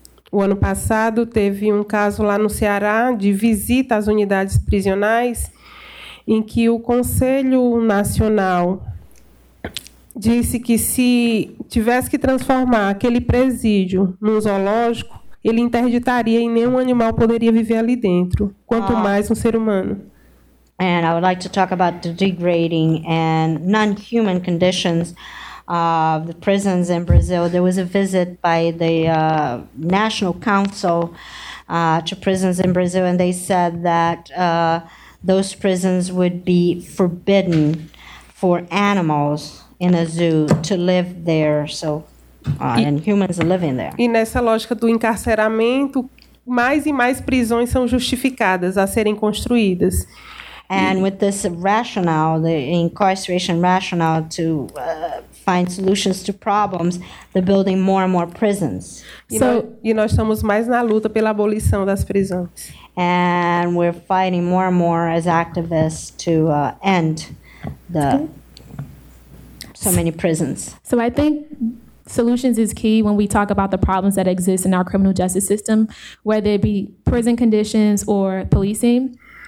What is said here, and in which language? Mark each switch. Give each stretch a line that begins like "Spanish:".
Portuguese: O ano passado teve caso lá no Ceará de visita às unidades prisionais em que o Conselho Nacional disse que se tivesse que transformar aquele presídio num zoológico, ele interditaria e nenhum animal poderia viver ali dentro, quanto mais um ser humano.
English: And I would like to talk about the degrading and non-human conditions of the prisons in Brazil. There was a visit by the National Council to prisons in Brazil, and they said that those prisons would be forbidden for animals in a zoo to live there, so and humans are living there.
Portuguese: E nessa lógica do encarceramento, mais e mais prisões são justificadas a serem construídas.
English: And with this rationale, the incarceration rationale to find solutions to problems, they're building more and more prisons. So,
Portuguese: e nós estamos mais na luta pela abolição das prisões.
English: And we're fighting more and more as activists to end the so many prisons. So I think solutions is key when we talk about the problems that exist in our criminal justice system, whether it be prison conditions or policing.